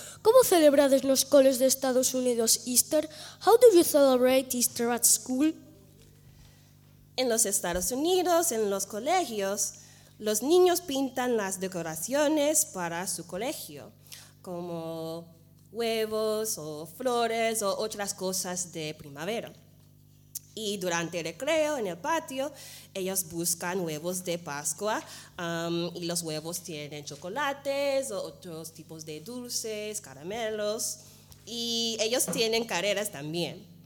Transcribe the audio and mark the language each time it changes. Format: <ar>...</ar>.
<es>¿Cómo celebrades los coles de Estados Unidos Easter?</es> <en>How do you celebrate Easter at school?</en> <es>En los Estados Unidos, en los colegios, los niños pintan las decoraciones para su colegio, como huevos o flores o otras cosas de primavera. Y durante el recreo en el patio, ellos buscan huevos de Pascua, y los huevos tienen chocolates o otros tipos de dulces, caramelos, y ellos tienen carreras también.</es>